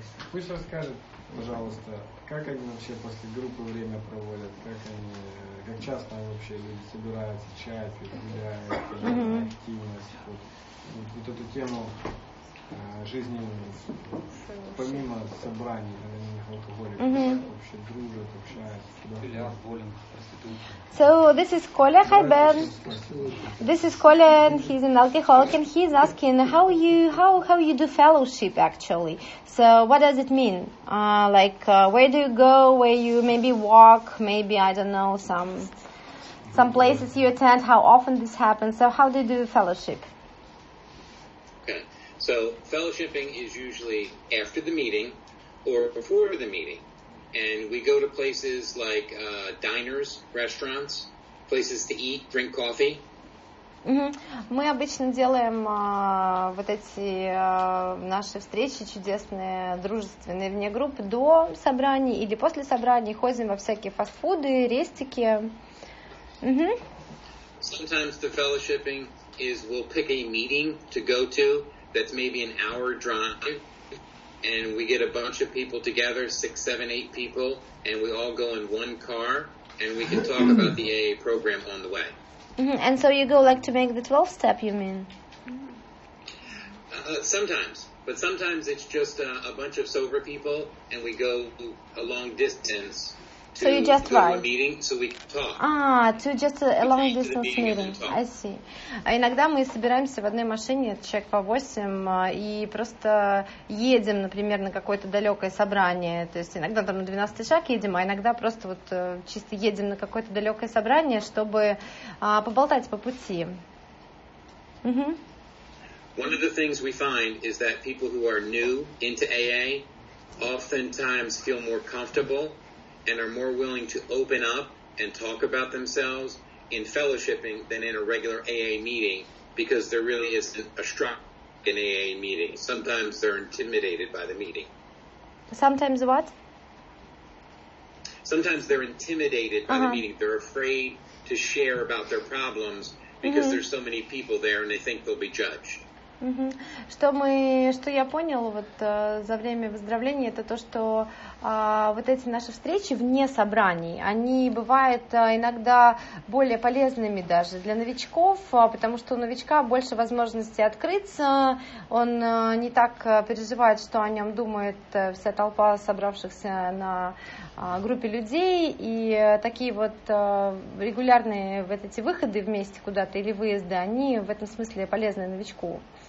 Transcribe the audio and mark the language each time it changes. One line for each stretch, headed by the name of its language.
Russian: Пусть расскажет, пожалуйста, как они вообще после группы время проводят, как они, как часто они вообще люди собираются, чай, гуляют, активность, вот эту тему жизненную, помимо собраний анонимных алкоголиков, вообще дружат, общаются. Филиал, боулинг, проституция.
English: So this is Коля. Hi, Ben. This is Коля, and he's an alcoholic, and he's asking how you do fellowship actually. So what does it mean? Where do you go? Where you maybe walk? Maybe I don't know some places you attend. How often this happens? So how do you do fellowship? Okay. So fellowshipping is usually after the meeting or before the meeting. And we go to places like diners, restaurants, places to eat, drink coffee. Mm-hmm.
Russian: Мы обычно делаем вот эти наши встречи чудесные, дружественные вне группы до собраний или после собраний, ходим во всякие фастфуды, рестики. Mm-hmm.
English: Sometimes the fellowshipping is we'll pick a meeting to go to that's maybe an hour drive. And we get a bunch of people together, 6, 7, 8 people, and we all go in one car, and we can talk about the AA program on the way. Mm-hmm. And so you go like to make the 12th step, you mean? Sometimes. But sometimes it's just a bunch of sober people, and we go a long distance to so you just go ride. To a meeting so we can talk. To just a long distance meeting. I see.
Russian: Иногда мы собираемся в одной машине, человек по 8, и просто едем, например, на какое-то далекое собрание. То есть иногда там на 12 шаг едем, а иногда просто вот чисто едем на какое-то далекое собрание, чтобы поболтать по пути. Mm-hmm.
English: One of the things we find is that people who are new into AA oftentimes feel more comfortable and are more willing to open up and talk about themselves in fellowshipping than in a regular AA meeting, because there really isn't a structure in AA meeting. Sometimes they're intimidated by the meeting. Sometimes what? Sometimes they're intimidated by the meeting. They're afraid to share about their problems because mm-hmm. there's so many people there and they think they'll be judged.
Russian: Что я понял вот за время выздоровления, это то, что вот эти наши встречи вне собраний, они бывают иногда более полезными даже для новичков, потому что у новичка больше возможности открыться, он не так переживает, что о нем думает вся толпа собравшихся на группе людей, и такие вот регулярные вот эти выходы вместе куда-то или выезды, они в этом смысле полезны новичку.